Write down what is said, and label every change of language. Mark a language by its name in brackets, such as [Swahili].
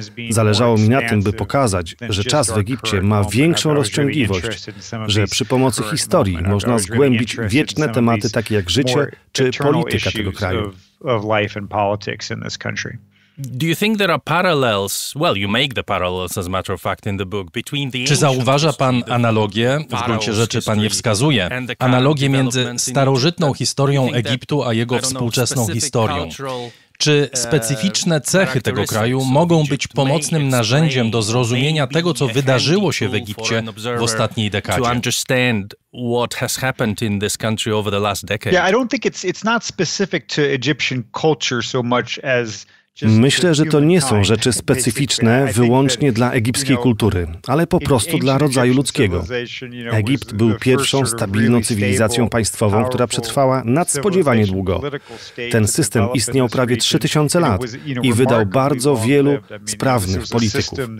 [Polish] Zależało mi na tym, by pokazać, że czas w Egipcie ma większą rozciągliwość, że przy pomocy historii można zgłębić wieczne tematy takie jak życie czy polityka tego kraju. [English] Do you think there are parallels? Well, you make the parallels, as a matter of fact, in the book between the. [Polish] Czy zauważa pan analogię? W gruncie rzeczy pan je wskazuje. Analogię między starożytną historią Egiptu a jego współczesną historią. Czy specyficzne cechy tego kraju mogą być pomocnym narzędziem do zrozumienia tego, co wydarzyło się w Egipcie w ostatniej dekadzie? [English] To understand what has happened in this country over the last decade. Yeah, I don't think it's not specific to Egyptian culture so much as. [Polish] Myślę, że to nie są rzeczy specyficzne wyłącznie dla egipskiej kultury, ale po prostu dla rodzaju ludzkiego. Egipt był pierwszą stabilną cywilizacją państwową, która przetrwała nadspodziewanie długo. Ten system istniał prawie 3000 lat i wydał bardzo wielu sprawnych polityków.